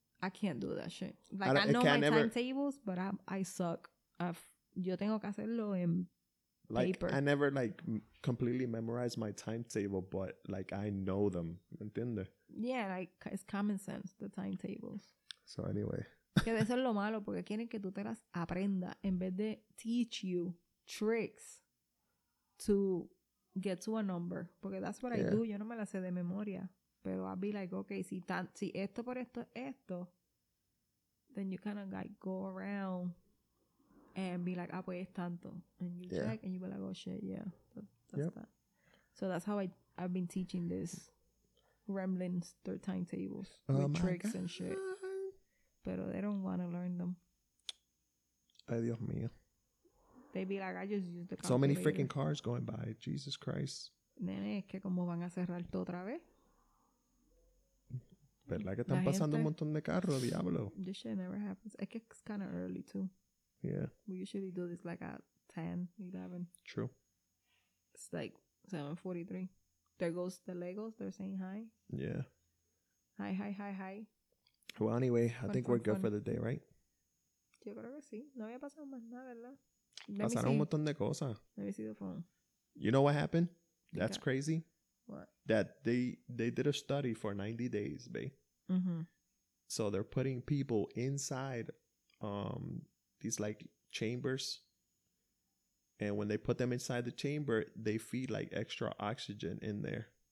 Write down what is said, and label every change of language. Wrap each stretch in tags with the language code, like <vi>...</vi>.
<en>I can't do that shit. Like, I know my timetables, but I suck.</en> <es>Yo tengo que hacerlo en</es> <en>like, paper. I never, like, completely memorized my timetable, but, like, I know them.</en> <es>¿Entiendes?</es> <en>Yeah, like, it's common sense, the timetables. So, anyway...</en> <es>Que eso es lo malo, porque quieren que tú te las aprendas en vez de</es> <en>teach you tricks to get to a number.</en> <es>Porque that's what I do. Yo no me la sé de memoria. Pero I'll be like, okay, si esto por esto es esto,</es> <en>then you kind of like go around and be like,</en> <es>ah, pues es tanto.</es> <en>And you check and you be like, oh shit, yeah. That's that. So that's how I've been teaching this Remlins, their timetables with tricks and shit.</en> <es>Pero</es> <en>they don't want to learn them.</en> <es>Ay, Dios mío.</es> <en>They be like, I just used the calculator. So many freaking cars going by. Jesus Christ.</en> <es>Nene, es que como van a cerrar todo otra vez. ¿Verdad que están la pasando gente, un montón de carros, diablo?</es> <en>This shit never happens.</en> <es>Es que</es> <en>it's kind of early, too. Yeah. We usually do this like at 10, 11. True. It's like 7:43. There goes the Legos. They're saying hi. Yeah. Hi. Well, anyway, I think we're good for the day, right?</en> <es>Yo creo que sí. No había pasado más nada, ¿verdad? Pasaron un montón de cosas.</es> <en>Let me see the phone. You know what happened? That's crazy. What? That they did a study for 90 days, babe. Mm-hmm. So they're putting people inside these, like, chambers. And when they put them inside the chamber, they feed, like, extra oxygen in there.</en>